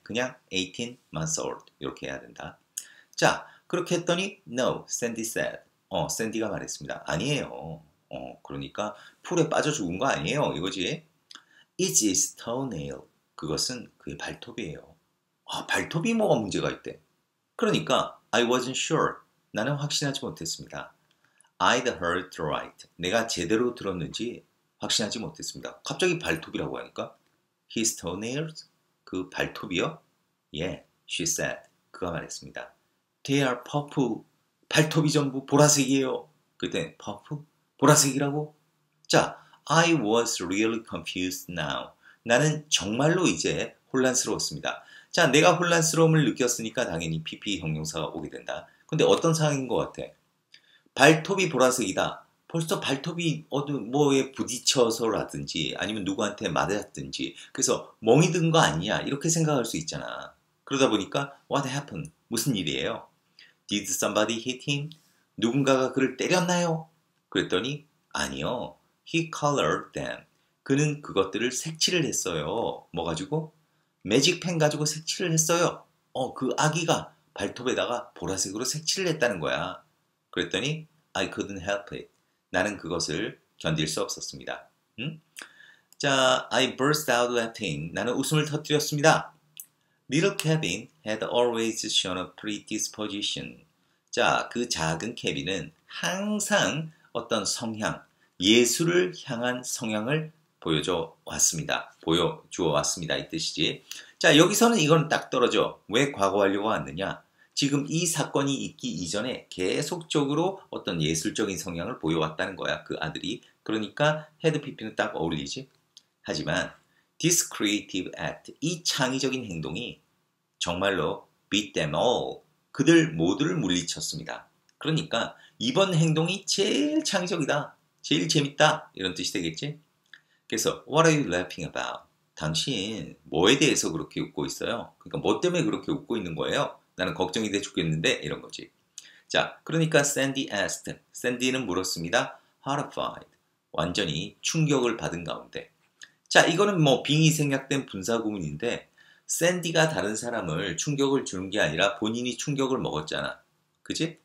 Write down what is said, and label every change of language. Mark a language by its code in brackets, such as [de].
[ko] 그냥 [en] 18 months old [ko] 이렇게 해야 된다. 자, 그렇게 했더니 [en] no, Sandy said. [ko] Sandy가 말했습니다. 아니에요. 그러니까 풀에 빠져 죽은 거 아니에요. 이거지. [en] It is toenail. [ko] 그것은 그의 발톱이에요. 아, 발톱이 뭐가 문제가 있대. 그러니까 [en] I wasn't sure. [ko] 나는 확신하지 못했습니다. [en] I'd heard right. [ko] 내가 제대로 들었는지 확신하지 못했습니다. 갑자기 발톱이라고 하니까 [en] His toenails? [ko] 그 발톱이요? [en] Yeah, she said. [ko] 그가 말했습니다. [en] They are purple. [ko] 발톱이 전부 보라색이에요. 그때 purple? 보라색이라고? 자, [en] I was really confused now. [ko] 나는 정말로 이제 혼란스러웠습니다. 자, 내가 혼란스러움을 느꼈으니까 당연히 PP 형용사가 오게 된다. 근데 어떤 상황인 것 같아? 발톱이 보라색이다. 벌써 발톱이 뭐에 부딪혀서라든지 아니면 누구한테 맞았든지 그래서 멍이 든 거 아니냐 이렇게 생각할 수 있잖아. 그러다 보니까 [en] What happened? [ko] 무슨 일이에요? [en] Did somebody hit him? [ko] 누군가가 그를 때렸나요? 그랬더니 아니요. [en] He colored them. [ko] 그는 그것들을 색칠을 했어요. 뭐 가지고? 매직펜 가지고 색칠을 했어요. 그 아기가 발톱에다가 보라색으로 색칠을 했다는 거야. 그랬더니 [en] I couldn't help it. [ko] 나는 그것을 견딜 수 없었습니다. 응? 자, [en] I burst out laughing. [ko] 나는 웃음을 터뜨렸습니다. [en] Little Kevin had always shown a predisposition. [ko] 자, 그 작은 케빈은 항상 어떤 성향, 예술을 향한 성향을 보여줘 왔습니다. 보여주어 왔습니다. 이 뜻이지. 자, 여기서는 이건 딱 떨어져. 왜 과거 완료가 왔느냐? 지금 이 사건이 있기 이전에 계속적으로 어떤 예술적인 성향을 보여왔다는 거야. 그 아들이. 그러니까 헤드 PP는 딱 어울리지. 하지만 [en] this creative act, [ko] 이 창의적인 행동이 정말로 [en] beat them all, [ko] 그들 모두를 물리쳤습니다. 그러니까 이번 행동이 제일 창의적이다, 제일 재밌다, 이런 뜻이 되겠지. 그래서 [en] what are you laughing about? [ko] 당신 뭐에 대해서 그렇게 웃고 있어요? 그러니까 뭐 때문에 그렇게 웃고 있는 거예요? 나는 걱정이 돼 죽겠는데, 이런 거지. 자, 그러니까 샌디 asked. 샌디는 물었습니다. horrified. 완전히 충격을 받은 가운데. 자, 이거는 뭐 빙의 생략된 분사 구문인데 샌디가 다른 사람을 충격을 주는 게 아니라 본인이 충격을 먹었잖아. 그지?